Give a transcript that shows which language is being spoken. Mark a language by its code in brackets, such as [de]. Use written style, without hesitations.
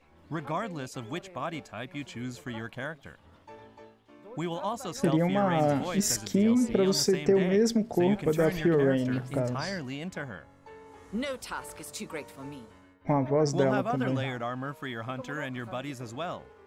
[en] Regardless of which body type you choose for your character. [pt] Seria uma skin para você ter o mesmo corpo da Fiorain, no caso. [en] No task is too great for me. [pt] Com a voz dela também. [en] We'll have other layered armor for your hunter and your buddies as well.